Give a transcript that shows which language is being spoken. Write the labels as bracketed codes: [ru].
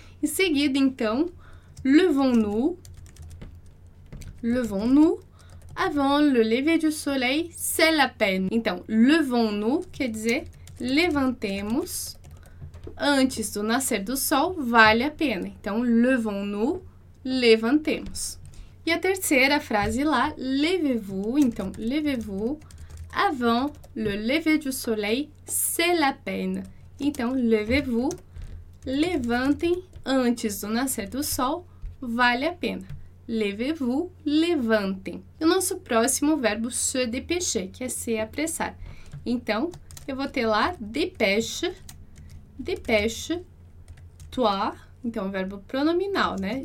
[pt] Em seguida, então, [fr] levons-nous, avant le lever du soleil, c'est la peine. [pt] Então, [fr] levons-nous [pt] quer dizer levantemos antes do nascer do sol, vale a pena. Então, [fr] levons-nous, [pt] levantemos. E a terceira frase lá, [fr] levez-vous, [pt] então, [fr] levez-vous, avant le lever du soleil, c'est la peine. [pt] Então, [fr] levez-vous, [pt] levantem antes do nascer do sol, vale a pena. [fr] Levez-vous, [pt] levantem. E o nosso próximo verbo, se dépêcher, que é se apressar. Então, eu vou ter lá, [fr] dépêche, dépêche, toi, [pt] então, o verbo pronominal, né?